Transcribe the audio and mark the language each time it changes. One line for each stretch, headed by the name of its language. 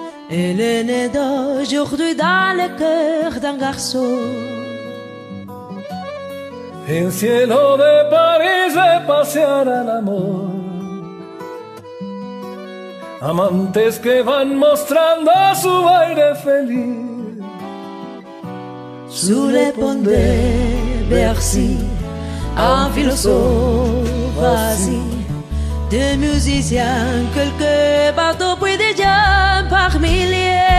French: Elle est née d'aujourd'hui dans le cœur d'un garçon.
Spanish: En el cielo de París se pasean el amor, amantes que van mostrando su aire feliz.
French: Sous le pont de Bercy, un philosophe assis, des musiciens, quelques bateaux, puis des gens par milliers.